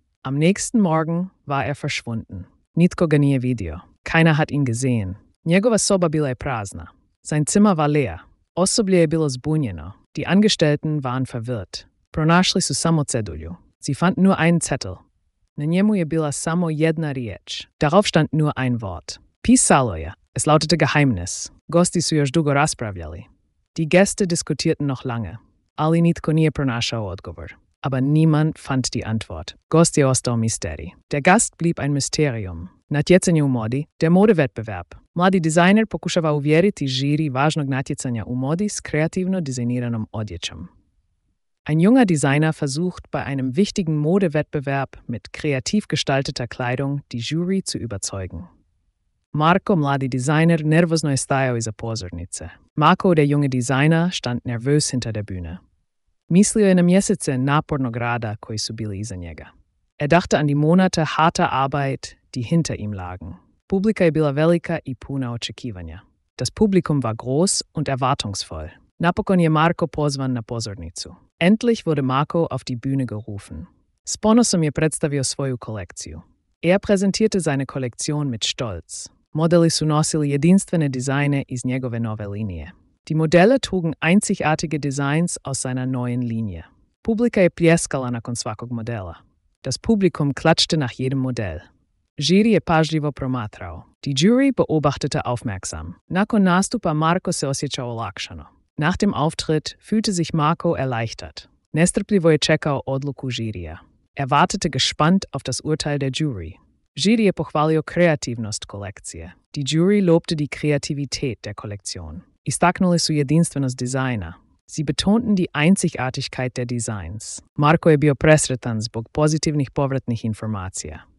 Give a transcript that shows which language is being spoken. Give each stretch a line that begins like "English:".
German: Am nächsten Morgen war er verschwunden.
Croatian: Nitko ga nije vidio.
German: Keiner hat ihn gesehen.
Croatian: Njegova soba bila je prazna.
German: Sein Zimmer war leer.
Croatian: Osoblje je bilo zbunjeno.
German: Die Angestellten waren verwirrt.
Croatian: Pronašli su samo cedulju.
German: Sie fanden nur einen Zettel.
Croatian: Na njemu je bila samo jedna riječ.
German: Darauf stand nur ein Wort.
Croatian: Pisalo je.
German: Es lautete Geheimnis.
Croatian: Gosti su još dugo raspravljali.
German: Die Gäste diskutierten noch lange.
Croatian: Ali nitko nije pronašao odgovor.
German: Aber niemand fand die Antwort.
Croatian: Gost je ostao misteri.
German: Der Gast blieb ein Mysterium.
Croatian: Natjecanje u modi,
German: der Modewettbewerb.
Croatian: Mladi dizajner pokušava uvjeriti žiri važnog natjecanja u modi s kreativno dizajniranom odjećom.
German: Ein junger Designer versucht bei einem wichtigen Modewettbewerb mit kreativ gestalteter Kleidung die Jury zu überzeugen.
Croatian: Marco, mladi dizajner, nervozno je stajao iza pozornice.
German: Marco, der junge Designer, stand nervös hinter der Bühne.
Croatian: Mislio je na mjesece napornog rada koji su bili iza njega.
German: Er dachte an die Monate harter Arbeit, die hinter ihm lagen.
Croatian: Publika je bila velika i puna očekivanja.
German: Das Publikum war groß und erwartungsvoll.
Croatian: Napokon je Marco pozvan na pozornicu.
German: Endlich wurde Marco auf die Bühne gerufen.
Croatian: S ponosom je predstavio svoju kolekciju.
German: Er präsentierte seine Kollektion mit Stolz.
Croatian: Modeli su nosili jedinstvene dizajne iz njegove nove linije.
German: Die Modelle trugen einzigartige Designs aus seiner neuen Linie.
Croatian: Publika je pljeskala nakon svakog modela.
German: Das Publikum klatschte nach jedem Modell.
Croatian: Žiri je pažljivo promatrao.
German: Die Jury beobachtete aufmerksam.
Croatian: Nakon nastupa Marco se osjećao olakšano.
German: Nach dem Auftritt fühlte sich Marco erleichtert.
Croatian: Nestrpljivo je čekao odluku žirija.
German: Er wartete gespannt auf das Urteil der Jury.
Croatian: Žiri je pohvalio kreativnost kolekcije.
German: Die Jury lobte die Kreativität der Kollektion.
Croatian: Istaknuli su jedinstvenost dizajna.
German: Sie betonten die Einzigartigkeit der Designs.
Croatian: Marco je bio presretan zbog pozitivnih povratnih informacija.